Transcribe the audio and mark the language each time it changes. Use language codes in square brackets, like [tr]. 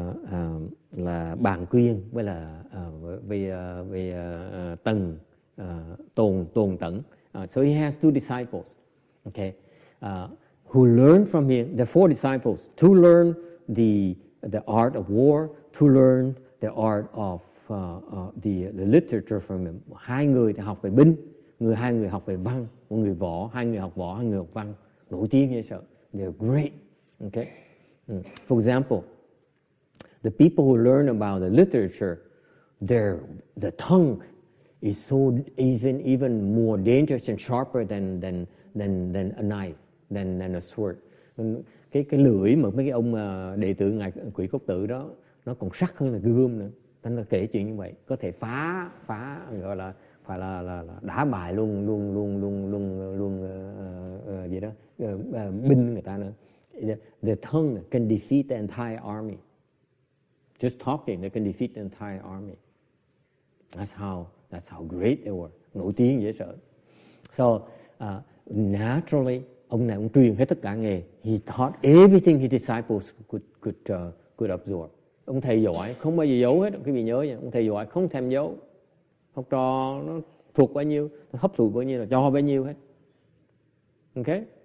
[vi] Tên là Bàn Quyên với là Tần Tồn Tẩn. [en] So he has two disciples, okay, who learn from him. The four disciples to learn the art of war, to learn the art of the literature from him. [vi] Hai người thì học về binh, người hai người học về văn, một người võ, hai người học võ, hai người học văn, nổi tiếng như sợ. [en] They're great, okay. For example, the people who learn about the literature, the tongue is so even more dangerous and sharper than a knife, than a sword. [vi] Cái lưỡi mà mấy cái ông đệ tử ngài quỷ cốc tử đó nó còn sắc hơn là gươm nữa. Thành ra kể chuyện như vậy có thể phá gọi là phải là đá bại luôn gì đó binh người ta nữa. [en] The tongue can defeat the entire army. Just talking, they can defeat the entire army. That's how great they were. [vi] Nổi tiếng dễ sợ. [en] So, naturally, [vi] ông này ông truyền hết tất cả nghề. [en] He taught everything his disciples could absorb. [vi] Ông thầy giỏi, không bao giờ giấu hết. Quý vị nhớ nhé, ông thầy giỏi không thèm giấu. Học trò nó thuộc bao nhiêu, nó hấp thụ bao nhiêu, là cho bao nhiêu hết. Okay?